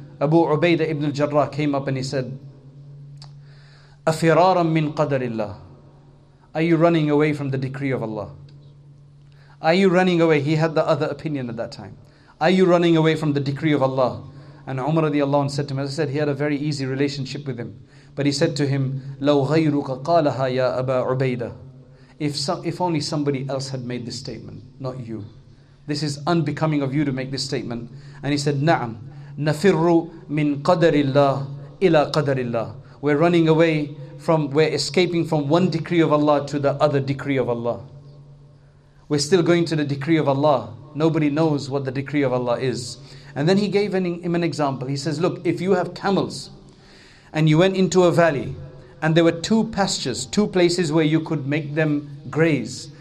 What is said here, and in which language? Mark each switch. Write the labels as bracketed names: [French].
[English] Abu Ubaidah ibn al-Jarrah came up and he said, [Arabic] أَفِرَارًا مِّن قَدَرِ اللَّهِ. [English] Are you running away from the decree of Allah? Are you running away? He had the other opinion at that time. Are you running away from the decree of Allah? And Umar radiallahu anhu said to him, as I said, he had a very easy relationship with him. But he said to him, [Arabic] لَوْ غَيْرُكَ قَالَهَا يَا أَبَا عُبَيْدَ. [English] If only somebody else had made this statement, not you. This is unbecoming of you to make this statement. And he said, [Arabic] نَعَمْ نَفِرُّ مِّن قَدَرِ اللَّهِ إِلَى قَدَرِ اللَّهِ. [English] We're running away from, we're escaping from one decree of Allah to the other decree of Allah. We're still going to the decree of Allah. Nobody knows what the decree of Allah is. And then he gave him an example. He says, look, if you have camels and you went into a valley and there were two pastures, two places where you could make them graze.